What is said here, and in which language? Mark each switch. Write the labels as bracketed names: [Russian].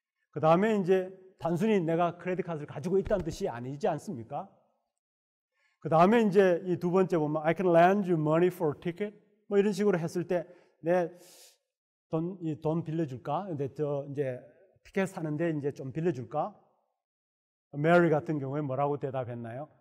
[Korean] 그 다음에 이제 단순히 내가 크레딧 카드를 가지고 있다는 뜻이 아니지 않습니까? 그 다음에 이제 이 두 번째 보면 [English] I can lend you money for a ticket. [Korean] 뭐 이런 식으로 했을 때 내 돈 빌려줄까? 근데 저 이제 티켓 사는데 이제 좀 빌려줄까? Mary 같은 경우에 뭐라고 대답했나요?